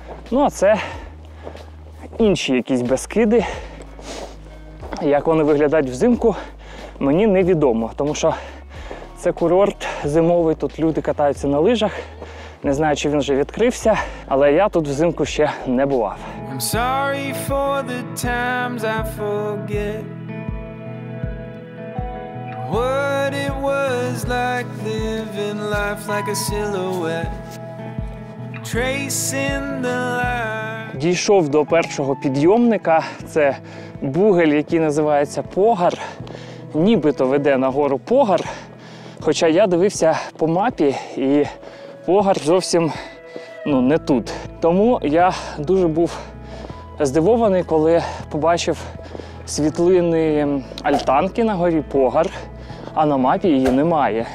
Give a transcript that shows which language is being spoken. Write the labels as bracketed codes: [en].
[uk] Ну, а це інші якісь Бескиди. Як вони виглядають взимку, мені невідомо, тому що це курорт зимовий, тут люди катаються на лижах. Не знаю, чи він вже відкрився, але я тут взимку ще не бував. [en] I'm sorry for the times I forget what it was like living life like a silhouette tracing the line. [uk] Дійшов до першого підйомника. Це бугель, який називається Погар. Нібито веде на гору Погар. Хоча я дивився по мапі і Погар зовсім, ну, не тут. Тому я дуже був здивований, коли побачив світлини Альтанки на горі Погар, а на мапі її немає.